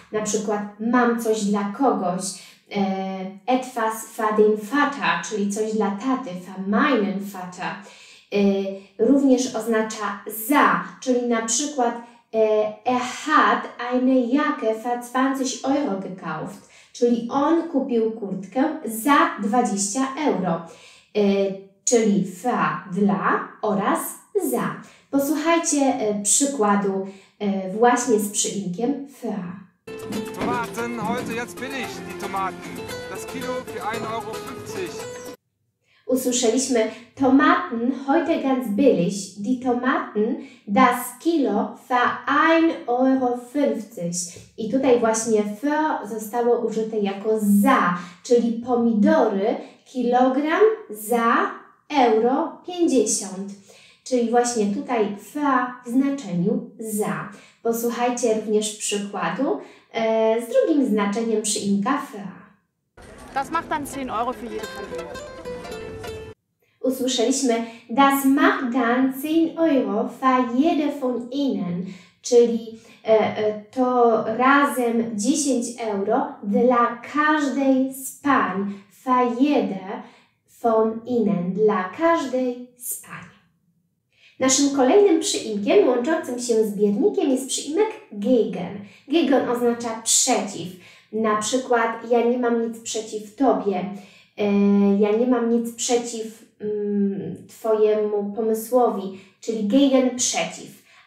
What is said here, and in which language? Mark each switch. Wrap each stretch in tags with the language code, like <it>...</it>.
<pl>Na przykład mam coś dla kogoś.</pl> <de>Etwas für den Vater,</de> <pl>czyli coś dla taty,</pl> <de>für meinen Vater,</de> <pl>również oznacza za, czyli na przykład</pl> <de>er hat eine Jacke für 20 euro gekauft,</de> <pl>czyli on kupił kurtkę za 20 euro, czyli für, dla oraz za. Posłuchajcie przykładu właśnie z przyimkiem für.</pl> <de>Tomaten, heute jetzt bin ich, die Tomaten. Das Kilo für 1,50 Euro.</de> <pl>Usłyszeliśmy</pl> <de>Tomaten, heute ganz billig, die Tomaten, das Kilo für 1,50 Euro.</de> <pl>I tutaj właśnie für zostało użyte jako za, czyli pomidory, kilogram za euro 50. Czyli właśnie tutaj für w znaczeniu za. Posłuchajcie również przykładu z drugim znaczeniem przyimka für.</pl> <de>Das macht dann 10 Euro für jede Familie.</de> <pl>Usłyszeliśmy</pl> <de>das macht dann 10 Euro für jede von Ihnen,</de> <pl>czyli to razem 10 euro dla każdej z pań.</pl> <de>Für jede von Ihnen,</de> <pl>dla każdej z pań. Naszym kolejnym przyimkiem łączącym się z biernikiem jest przyimek gegen. Gegen oznacza przeciw. Na przykład ja nie mam nic przeciw tobie, ja nie mam nic przeciw twojemu pomysłowi, czyli gegen przeciw.</pl>